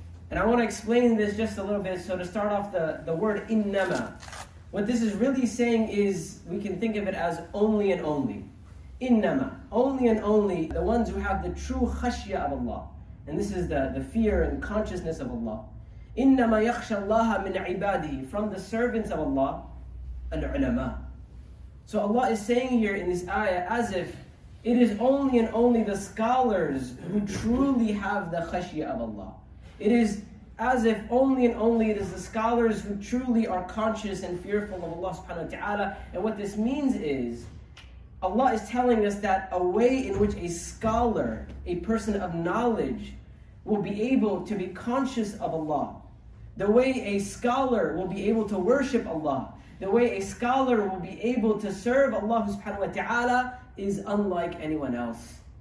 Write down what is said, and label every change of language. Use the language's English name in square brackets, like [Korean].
[English] And I want to explain this just a little bit. So to start off the word إِنَّمَا, what this is really saying is, we can think of it as only and only. إِنَّمَا, only and only, the ones who have the true khashya of Allah. And this is the fear and consciousness of Allah. [Arabic] إِنَّمَا يَخْشَ اللَّهَ مِنْ عِبَادِهِ, [English] from the servants of Allah, [Arabic] الْعُلَمَاء. [English] So Allah is saying here in this ayah as if it is only and only the scholars who truly have the khashiyah of Allah. It is as if only and only it is the scholars who truly are conscious and fearful of Allah subhanahu wa ta'ala. And what this means is Allah is telling us that a way in which a scholar, a person of knowledge, will be able to be conscious of Allah, the way a scholar will be able to worship Allah, the way a scholar will be able to serve Allah subhanahu wa ta'ala, is unlike anyone else.